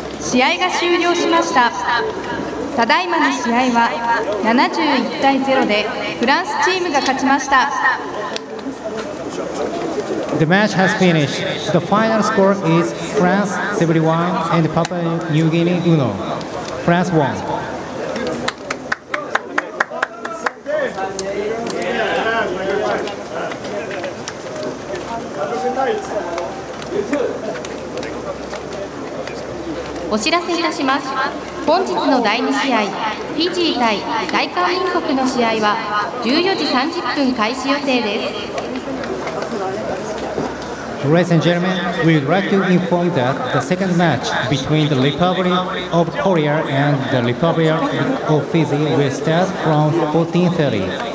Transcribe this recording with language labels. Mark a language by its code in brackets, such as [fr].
[ja] 試合が終了しました。ただいまの試合は71対0でフランスチームが勝ちました。 [en] The match has finished. The final score is France 71 and Papua New Guinea 1. France 1. [ja] お知らせいたします。本日の第2試合、フィジー対大韓民国の試合は14時30分開始予定です。 [en] Ladies and gentlemen, we would like to inform you that the second match between the Republic of Korea and the Republic of Fiji will start from 14:30.